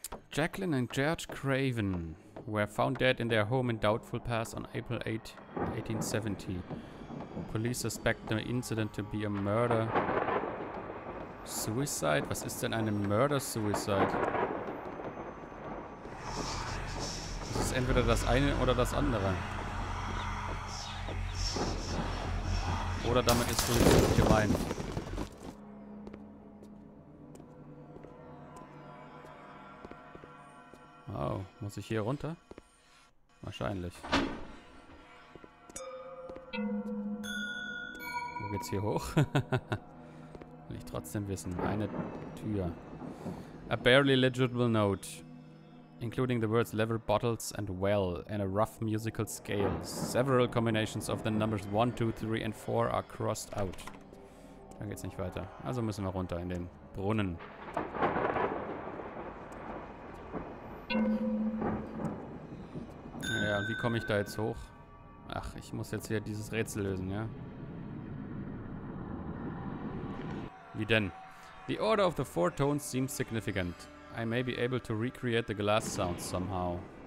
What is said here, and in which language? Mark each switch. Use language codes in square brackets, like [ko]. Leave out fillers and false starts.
[en] Jacqueline and George Craven were found dead in their home in Doubtful Pass on April 8, 1870. Police suspect the incident to be a murder suicide. [de] Was ist denn eine murder suicide? Das ist entweder das eine oder das andere. Oder damit ist Suizid gemeint. Muss ich hier runter? Wahrscheinlich. Wo geht's hier hoch? Will ich trotzdem wissen. Eine Tür. [en] A barely legible note. Including the words lever, bottles and well. And a rough musical scale. Several combinations of the numbers 1, 2, 3 and 4 are crossed out. [de] Da geht's nicht weiter. Also müssen wir runter in den Brunnen. Wie komme ich da jetzt hoch? Ach, ich muss jetzt hier dieses Rätsel lösen, ja? Wie denn? [en] The order of the four tones seems significant. I may be able to recreate the glass sounds somehow.